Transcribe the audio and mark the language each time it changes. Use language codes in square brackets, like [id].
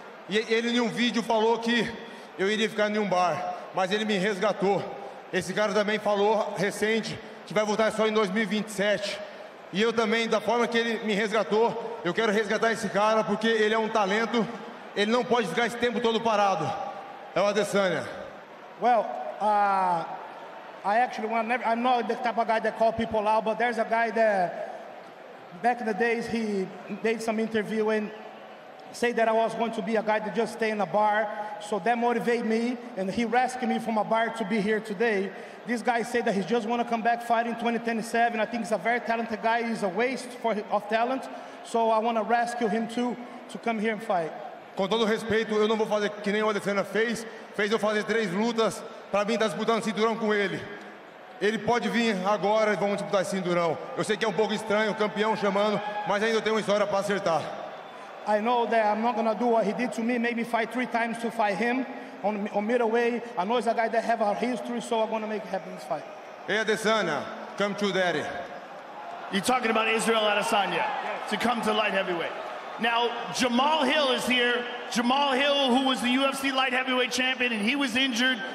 [pt] E ele, em um vídeo, falou que eu iria ficar em um bar. Mas ele me resgatou. Esse cara também falou, recente, que vai voltar só em 2027. E eu também, da forma que ele me resgatou, eu quero resgatar esse cara, porque ele é um talento. Ele não pode ficar esse tempo todo parado. É o Adesanya. [en] Well, I'm not the type of guy that call people out, but there's a guy that back in the days, he made some interview and say that I was going to be a guy to just stay in a bar. So that motivated me, and he rescued me from a bar to be here today. This guy said that he just want to come back fighting 2027. I think he's a very talented guy. He's a waste of talent. So I want to rescue him too, to come here and fight. [pt] Com todo respeito, eu não vou fazer que nem o Adesanya fez. Fez eu fazer 3 lutas para mim estar disputando cinturão com ele. Ele pode vir agora e vamos disputar esse cinturão. Eu sei que é um pouco estranho, campeão chamando, mas ainda tem uma história para acertar. [en] I know that I'm not gonna do what he did to me, maybe fight 3 times to fight him on middleweight. I know he's a guy that have a history, so I'm gonna make it happen this fight. Hey Adesanya, come to daddy. You're talking about Israel Adesanya to come to light heavyweight. Now, Jamal Hill is here. Jamal Hill, who was the UFC light heavyweight champion, and he was injured.